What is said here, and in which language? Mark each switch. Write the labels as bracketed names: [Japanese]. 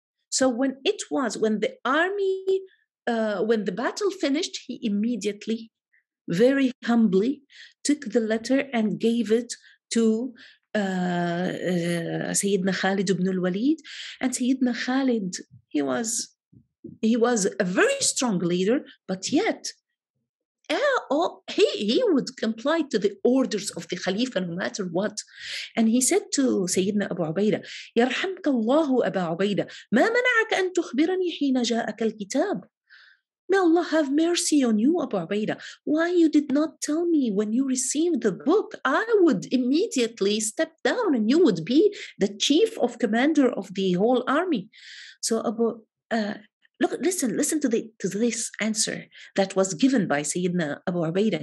[English] So when the battle finished, he immediately, very humbly, took the letter and gave it to Sayyidina Khalid ibn al-Walid. And Sayyidina Khalid, he was a very strong leader, but yet, he would comply to the orders of the Khalifa no matter what. And he said to Sayyidina Abu Ubaidah, [Arabic] يَرْحَمْكَ اللَّهُ أَبَا عُبَيْدَةَ مَا مَنَعَكَ أَن تُخْبِرَنِي حِينَ جَاءَكَ الْكِتَابِ. [English] May Allah have mercy on you, Abu Ubaidah. Why you did not tell me when you received the book? I would immediately step down and you would be the chief of commander of the whole army. So listen to this answer that was given by Sayyidina Abu Ubaidah.